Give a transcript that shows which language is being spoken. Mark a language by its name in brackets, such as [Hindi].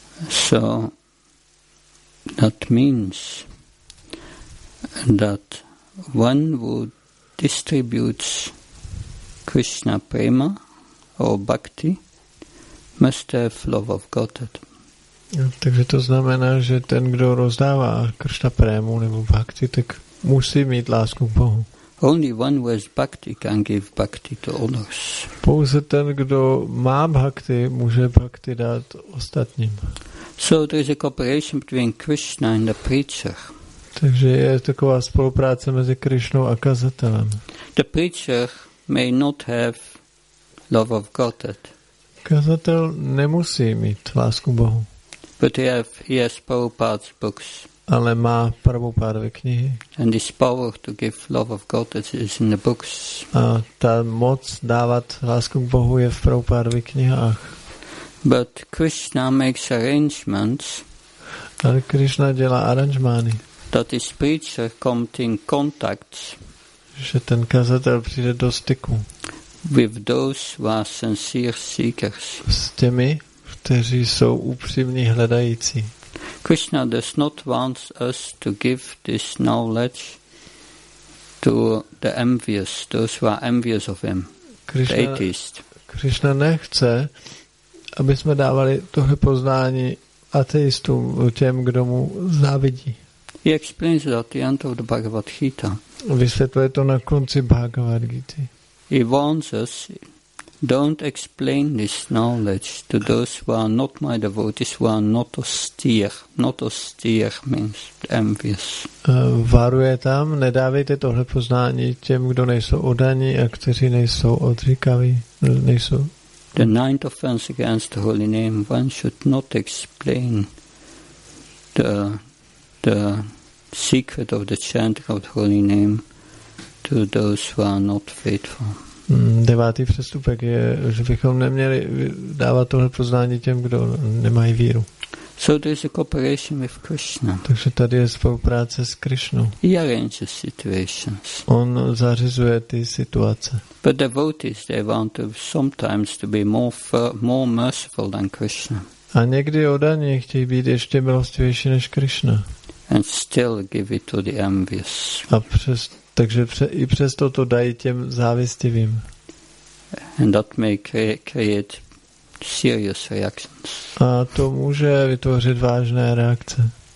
[English] So that means that one who distributes Krishna prema or bhakti must have love of Godhead. [Czech] Takže to znamená, že ten, kdo rozdává Kršna prému nebo bhakti, tak musí mít lásku k Bohu. [English] Only one who has bhakti can give bhakti to others. [Czech] Pouze ten, kdo má bhakti, může bhakti dát ostatním. [English] So there is a cooperation between Krishna and the preacher. [Czech] Takže je taková spolupráce mezi Krishnou a kazatelem. [English] The preacher may not have love of God. [Czech] Kazatel nemusí mít lásku k Bohu. [English] But he has Prabhupada's books. [Czech] Ale má Prabhupádovy knihy. [English] And this power to give love of God is in the books. [Czech] A ta moc dávat lásku k Bohu je v Prabhupádovy knihách. [English] But Krishna makes arrangements. [Czech] Ale Krishna dělá aranžmány. [English] That this preacher comes in contact. [Czech] Že ten kazatel přijde do styku. [English] With those who are sincere seekers. [Czech] S těmi, kteří jsou upřímní hledající. [English] Krishna does not want us to give this knowledge to the envious, those who are envious of him, Krishna, the atheist. [Czech] Krishna nechce, aby jsme dávali tohle poznání ateistům, těm, kdo mu závidí. [English] He explains that at the end of the Bhagavad Gita. [Czech] Vysvětluje to na konci Bhagavad Gita. [English] He warns us, don't explain this knowledge to those who are not my devotees, who are not austere. Not austere means envious. [Czech] Varuje tam, nedávejte tohle poznání těm, kdo nejsou odaní a kteří nejsou odříkaví, nejsou. [English] The ninth offense against the holy name, one should not explain the secret of the chanting of the holy name to those who are not faithful. [Czech] Devátý přestupek je, že bychom neměli dávat tohle poznání těm, kdo nemají víru. [English] So there is a cooperation with Krishna. [Czech] Takže tady je spolupráce s Krishnou. [English] He arranges situations. [Czech] On zařizuje ty situace. [English] But devotees, they want to sometimes to be more merciful than Krishna. [Czech] A někdy odaní chtějí být ještě milostivější než Krishna. [English] And still give it to the envious. [Czech] A takže i přesto to dají těm závistivým. [English] And that may create serious reactions. [Czech] A to může vytvořit vážné reakce.